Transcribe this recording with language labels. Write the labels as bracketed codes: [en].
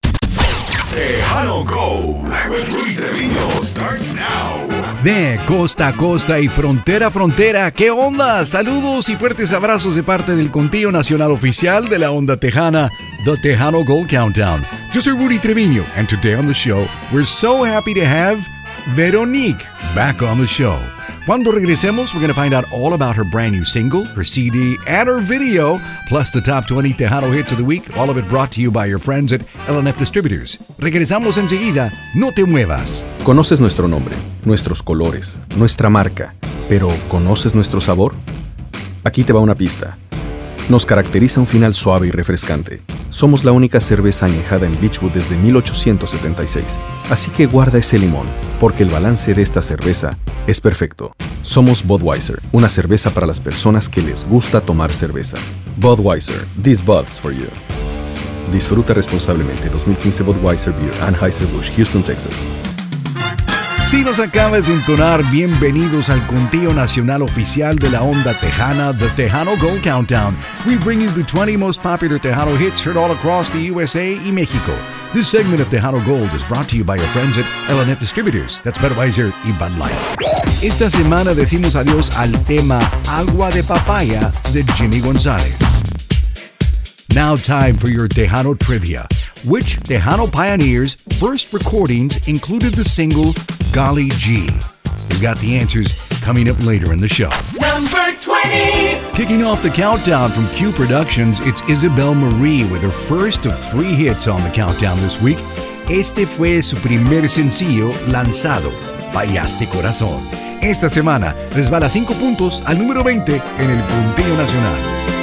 [en] Tejano Gold with Luis de Lino starts now. [es] De costa a costa y frontera a frontera, ¿qué onda? Saludos y fuertes abrazos de parte del Contigo Nacional Oficial de la Onda Tejana, The Tejano Gold Countdown. Yo soy [en] Rudy Treviño, and today on the show, we're so happy to have Veronique back on the show. [es] Cuando regresemos, [en] we're going to find out all about her brand new single, her CD, and her video, plus the top 20 Tejano hits of the week, all of it brought to you by your friends at LNF Distributors. [es] Regresamos enseguida, no te muevas. ¿Conoces nuestro nombre, nuestros colores, nuestra marca, pero conoces nuestro sabor? Aquí te va una pista. Nos caracteriza un final suave y refrescante. Somos la única cerveza añejada en Beechwood desde 1876. Así que guarda ese limón, porque el balance de esta cerveza es perfecto. Somos Budweiser, una cerveza para las personas que les gusta tomar cerveza. [en] Budweiser, this Bud's for you. [es] Disfruta responsablemente [en] 2015 Budweiser Beer, Anheuser-Busch, Houston, Texas. [es] Si nos acabas de entonar, bienvenidos al Contigo Nacional Oficial de la Onda Tejana, The Tejano Gold Countdown. [en] We bring you the 20 most popular Tejano hits heard all across the USA [es] y México. [en] This segment of Tejano Gold is brought to you by your friends at LNF Distributors. That's Budweiser y Bud Light. [es] Esta semana decimos adiós al tema Agua de Papaya de Jimmy González. [en] Now time for your Tejano trivia. Which Tejano pioneer's first recordings included the single Golly Gee? We've got the answers coming up later in the show. Number 20! Kicking off the countdown from Q Productions, it's Isabel Marie with her first of three hits on the countdown this week. [es] Este fue su primer sencillo lanzado, Payaste Corazón. Esta semana, resbala 5 puntos al número 20 en el Conteo Nacional.